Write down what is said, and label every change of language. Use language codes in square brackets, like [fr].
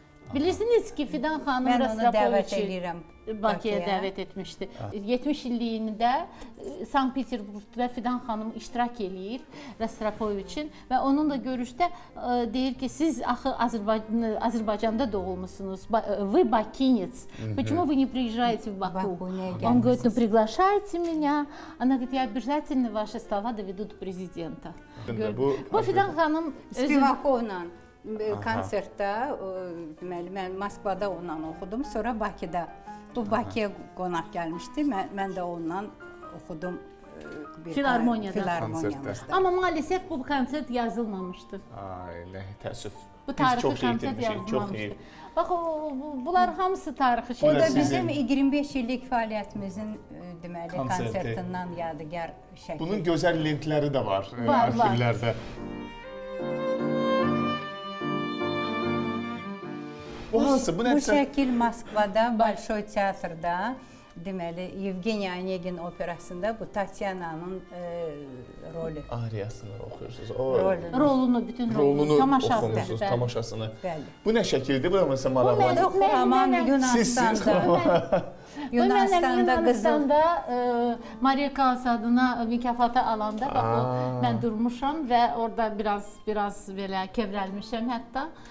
[az] Bilirsiniz ki, Fidan xanım Rastropoviçi Bakıya dəvət etmişdi. 70 illiyində Sankt-Peterburqda Fidan xanım iştirak eləyir Rastropoviçin və onun da görüşdə deyir ki, siz axı Azərbaycanda doğulmuşsunuz. [ru] Вы бакинец. Почему вы не приезжаете в Баку? Он говорит, ну приглашайте меня. Она говорит, я обязательно ваши слова доведу до президента. [az] Bu Fidan xanım Spivakovla konsertdə, deməli, mən Moskvada onunla oxudum, sonra Bakıda. Bu Bakıya qonaq gəlmişdi, mən də onunla oxudum. Filarmoniyada. Amma maalesef bu konsert yazılmamışdı. Ay, nə təəssüf. Bu tarixi konsert yazılmamışdı. Bax, bunlar hamısı tarixi şeydir. O da bizim 25 illik fəaliyyətimizin konsertindən yadigar şəkildir. Bunun gözəl linkləri də var arxivlərdə. Bu hansı? Bu şəkil Moskvada, Bolşoy teatrda, deməli, Yevgeniy Onegin operasında bu Tatyana'nın rolü. Ariyasını oxuyursunuz. Rolunu, bütün rolunu oxumusunuz, tamaşasını. Bu nə şəkildir? Bu da mənsə maraqlı. Bu mənə Xuraman Yunanistan'da. Yunanistan'da qızıl. Maria Kalas adına mükafatı alanda, bax, mən durmuşam və orada biraz belə kevrəlmişəm hətta.